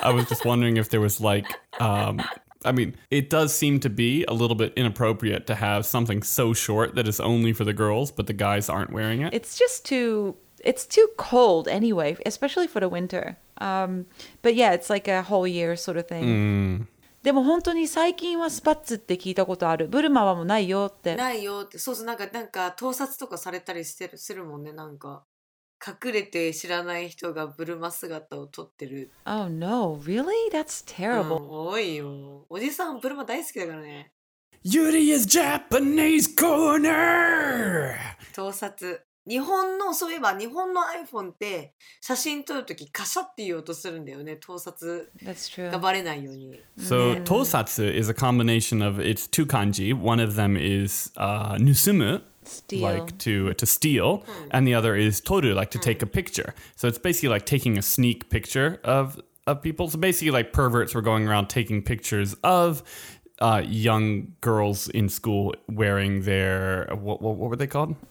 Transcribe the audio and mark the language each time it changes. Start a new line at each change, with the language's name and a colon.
English: I was just wondering if there was like, I mean, it does seem to be a little bit inappropriate to have something so short that is only for the girls, but the guys aren't wearing it. It's too cold anyway, especially for the winter. But yeah, it's like a whole year sort of thing.
Japanese: でも本当に最近はスパッツって聞いたことある。ブルマはもうないよって。ないよって。そうそう、なんか盗撮とかされたりしてるするもんね、なんか。隠れて知らない人がブルマ姿を撮ってる。
English: Oh no, really? That's terrible.
Japanese: 多いよ。おじさんブルマ大好きだからね。
English: Yuri is Japanese corner!
Japanese: 盗撮。日本の、そういえば日本の iPhone って写真撮るときカシャって言おうとするんだよね、盗撮がバレないように。
English: So, 盗撮 is a combination of, it's two kanji. One of them is, 盗む、 steal. Like to steal,、and the other is 撮る, like to take a picture. So it's basically like taking a sneak picture of people. So basically like perverts were going around taking pictures of... young girls in school wearing their what were they called?